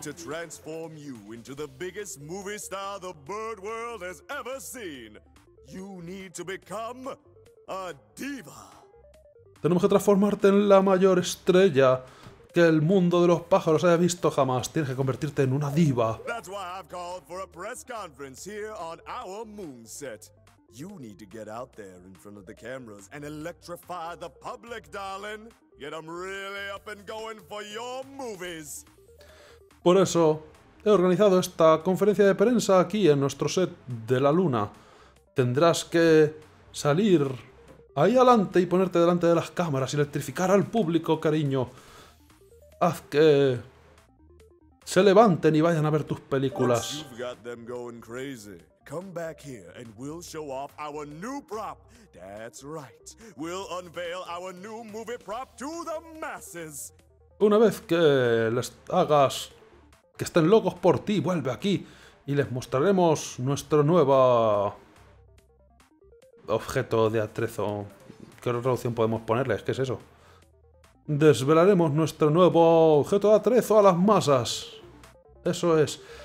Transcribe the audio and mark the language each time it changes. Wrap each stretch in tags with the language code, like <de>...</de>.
<en>We need to transform you into the biggest movie star the bird world has ever seen. You need to become a diva.</en> <es>Tenemos que transformarte en la mayor estrella que el mundo de los pájaros haya visto jamás. Tienes que convertirte en una diva.</es> <en>That's why I've called for a press conference here on our moonset. You need to get out there in front of the cameras and electrify the public, darling. Get them really up and going for your movies.</en> <es>Por eso he organizado esta conferencia de prensa aquí en nuestro set de la luna. Tendrás que salir ahí adelante y ponerte delante de las cámaras y electrificar al público, cariño. Haz que se levanten y vayan a ver tus películas.</es> <en>Come back here and we'll show off our new prop. That's right. We'll unveil our new movie prop to the masses.</en> <es>Una vez que les hagas que estén locos por ti, vuelve aquí y les mostraremos nuestro nuevo objeto de atrezo. ¿Qué traducción podemos ponerles? ¿Qué es eso? Desvelaremos nuestro nuevo objeto de atrezo a las masas. Eso es.</es>